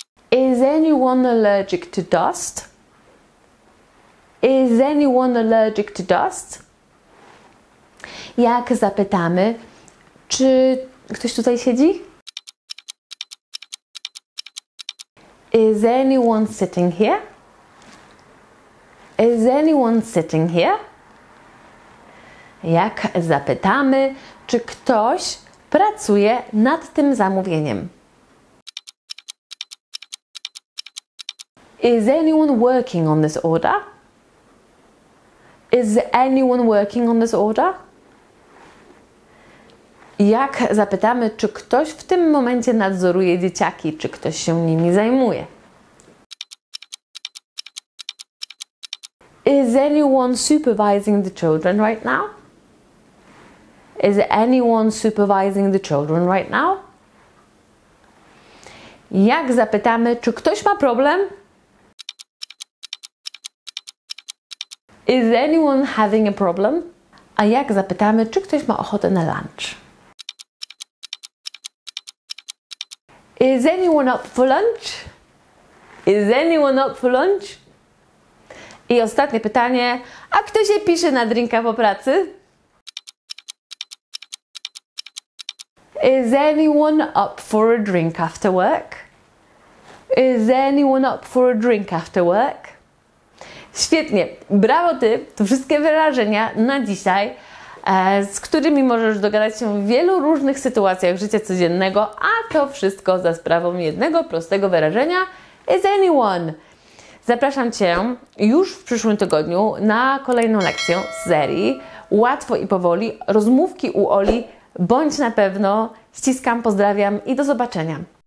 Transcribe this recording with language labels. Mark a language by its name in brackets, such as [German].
[English] Is anyone allergic to dust? Is anyone allergic to dust? [Polish] Jak zapytamy, czy ktoś tutaj siedzi? [English] Is anyone sitting here? Is anyone sitting here? [Polish] Jak zapytamy, czy ktoś pracuje nad tym zamówieniem? [English] Is anyone working on this order? Is anyone working on this order? [Polish] Jak zapytamy, czy ktoś w tym momencie nadzoruje dzieciaki, czy ktoś się nimi zajmuje? [English] Is anyone supervising the children right now? Is anyone supervising the children right now? [Polish] Jak zapytamy, czy ktoś ma problem? [English] Is anyone having a problem? [Polish] A jak zapytamy, czy ktoś ma ochotę na lunch? [English] Is anyone up for lunch? Is anyone up for lunch? [Polish] I ostatnie pytanie, a kto się pisze na drinka po pracy? [English] Is anyone up for a drink after work? Is anyone up for a drink after work? [Polish] Świetnie, brawo ty, to wszystkie wyrażenia na dzisiaj, z którymi możesz dogadać się w wielu różnych sytuacjach życia codziennego, a to wszystko za sprawą jednego prostego wyrażenia [English] is anyone. [Polish] Zapraszam Cię już w przyszłym tygodniu na kolejną lekcję z serii Łatwo i powoli, rozmówki u Oli, bądź na pewno, ściskam, pozdrawiam i do zobaczenia.